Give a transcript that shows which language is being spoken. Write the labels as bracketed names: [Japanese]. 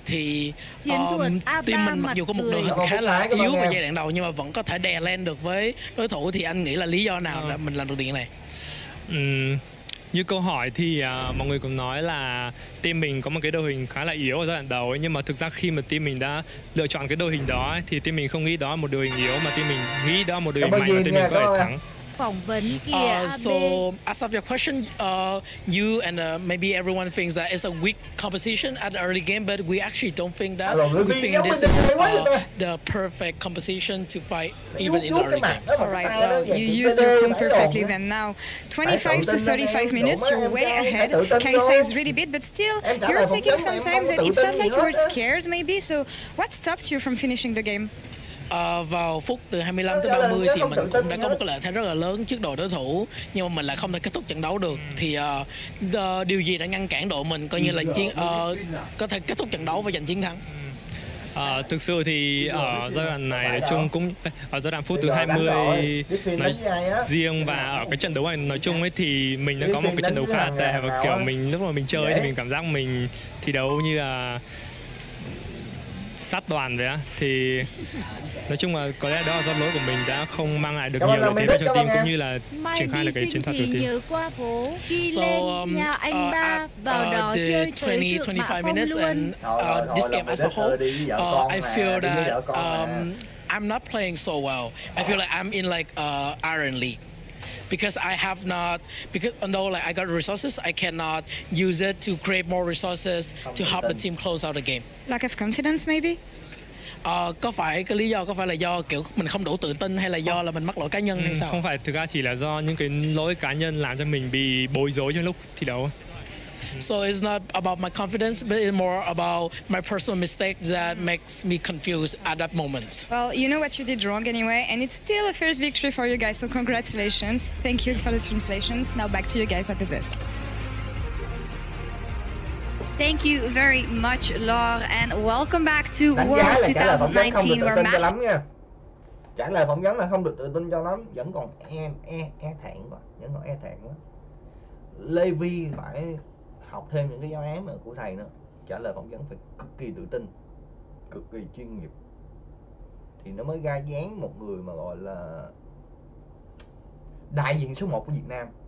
[Vietnamese] thì chiến thuật team mình mặc dù có một đội hình khá là yếu ở giai đoạn đầu nhưng mà vẫn có thể đè lên được với đối thủ, thì anh nghĩ là lý do nào để mình làm được điều này? Như câu hỏi thì mọi người cũng nói là team mình có một cái đội hình khá là yếu ở giai đoạn đầu ấy, nhưng mà thực ra khi mà team mình đã lựa chọn cái đội hình đó ấy, thì team mình không nghĩ đó là một đội hình yếu, mà team mình nghĩ đó là một đội hình mạnh và team mình có thể thắng. Phỏng vấn kìa. [English] So as of your question, you and maybe everyone thinks that it's a weak composition at early game, but we actually don't think that. We think this is the perfect composition to fight even in early games. All right, well, you used your comp perfectly then. Now, 25 to 35 minutes, you're way ahead. Kaisa is really beat, but still, you're taking some time and it felt like you were scared maybe. So what stopped you from finishing the game? [Vietnamese] Vào phút từ 25 tới 30 thì mình cũng đã có một cái lợi thế rất là lớn trước đội đối thủ, nhưng mà mình lại không thể kết thúc trận đấu được. Thì điều gì đã ngăn cản đội mình coi như là có thể kết thúc trận đấu và giành chiến thắng? Thực sự thì ở giai đoạn này nói chung cũng ở giai đoạn phút từ 20 nói riêng và ở cái trận đấu này nói chung ấy thì mình đã có một cái trận đấu khá là tệ, và kiểu mình lúc mà mình chơi thì mình cảm giác mình thi đấu như là sát toàn vậy á. Thì nói chung là có lẽ đó là do lỗi của mình đã không mang lại được nhiều lợi thế cho team cũng như là triển khai được cái chiến thuật đầu tiên. Nhớ qua phố khi lên nhà anh ba vào đó chơi tới [English] 25 minutes and this game as a whole, I feel that I'm not playing so well. I feel like I'm in like Iron League. Because I have not, because although like I got resources, I cannot use it to create more resources to help the team close out the game. Lack of confidence, maybe. [Vietnamese] Có phải cái lý do có phải là do kiểu mình không đủ tự tin hay là do là mình mắc lỗi cá nhân hay sao? Không phải, thực ra chỉ là do những cái lỗi cá nhân làm cho mình bị bối rối trong lúc thi đấu. [English] So it's not about my confidence, but it's more about my personal mistake that makes me confused at that moment. Well, you know what you did wrong anyway, and it's still a first victory for you guys, so congratulations. Thank you for the translations. Now back to you guys at the desk. Thank you very much, Lore, and welcome back to World 2019, where Max... [Vietnamese] Trả lời phỏng vấn là không được tự tin cho lắm, vẫn còn e thẹn quá. Levi phải học thêm những cái giáo án của thầy nữa. trả lời phỏng vấn phải cực kỳ tự tin, cực kỳ chuyên nghiệp thì nó mới ra dáng một người mà gọi là đại diện số 1 của Việt Nam.